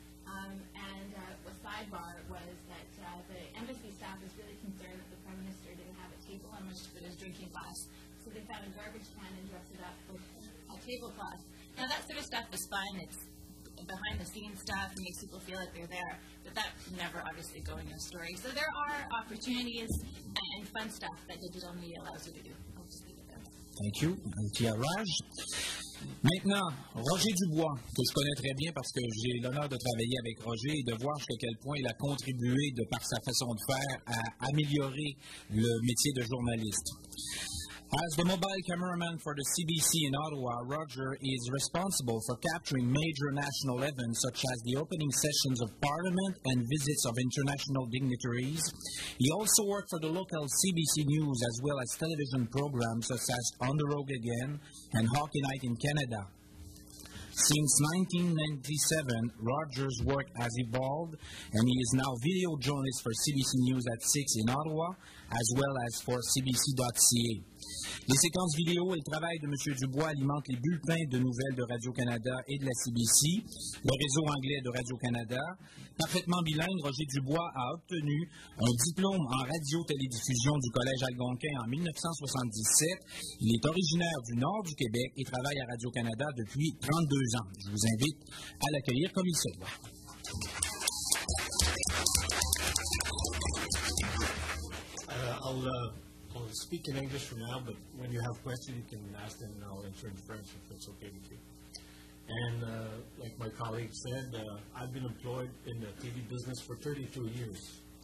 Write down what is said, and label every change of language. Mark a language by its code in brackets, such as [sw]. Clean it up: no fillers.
[en] A sidebar was that the embassy staff was really concerned that the Prime Minister didn't have a table on which to put his drinking glass, so they found a garbage can and dressed it up with a tablecloth. Now, that sort of stuff is fun. It's behind-the-scenes stuff. It makes people feel like they're there. But that never obviously go in your story. So there are opportunities and fun stuff that digital media allows you to do. I'll just leave it there. Thank you. Thank you, Raj. [fr] Maintenant, Roger Dubois, que je connais très bien parce que j'ai l'honneur de travailler avec Roger et de voir jusqu'à quel point il a contribué, de par sa façon de faire, à améliorer le métier de journaliste. [en] As the mobile cameraman for the CBC in Ottawa, Roger is responsible for capturing major national events such as the opening sessions of Parliament and visits of international dignitaries. He also worked for the local CBC News as well as television programs such as On the Rogue Again and Hockey Night in Canada. Since 1997, Roger's work has evolved, and he is now video journalist for CBC News at 6 in Ottawa, as well as for CBC.ca. [fr] Les séquences vidéo et le travail de M. Dubois alimentent les bulletins de nouvelles de Radio-Canada et de la CBC, le réseau anglais de Radio-Canada. Parfaitement bilingue, Roger Dubois a obtenu un diplôme en radio-télédiffusion du Collège Algonquin en 1977. Il est originaire du nord du Québec et travaille à Radio-Canada depuis 32 ans. Je vous invite à l'accueillir comme il se doit. [en] I'll speak in English for now, but when you have questions, you can ask them, and I'll answer in French if it's okay with you. And like my colleague said, I've been employed in the TV business for 32 years.